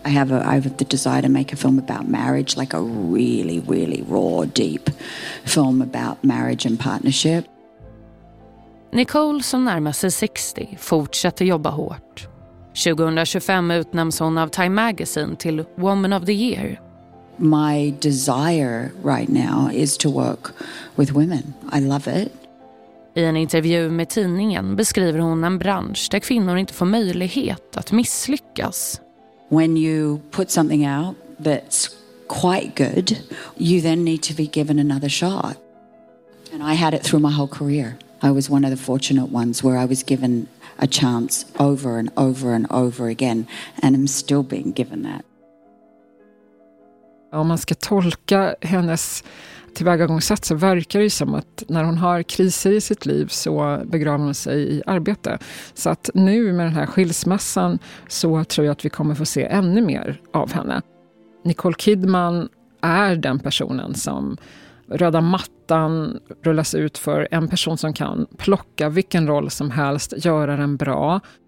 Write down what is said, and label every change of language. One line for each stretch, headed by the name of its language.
English: I have the desire to make a film about marriage, like a really, really raw, deep film about marriage and partnership.
Swedish: Nicole, som närmar sig 60, fortsätter jobba hårt. 2025 utnämns hon av Time Magazine till Woman of the Year.
English: My desire right now is to work with women. I love it.
Swedish: I en intervju med tidningen beskriver hon en bransch där kvinnor inte får möjlighet att misslyckas.
English: When you put something out that's quite good, you then need to be given another shot. And I had it through my whole career. I was one of the fortunate ones where I was given a chance over and over and over again, and I'm still being given that.
Swedish: Om man ska tolka hennes tillvägagångssätt så verkar det ju som att när hon har kriser i sitt liv så begraver hon sig i arbete. Så att nu med den här skilsmässan så tror jag att vi kommer få se ännu mer av henne. Nicole Kidman är den personen som röda mattan rullas ut för, en person som kan plocka vilken roll som helst, göra den bra.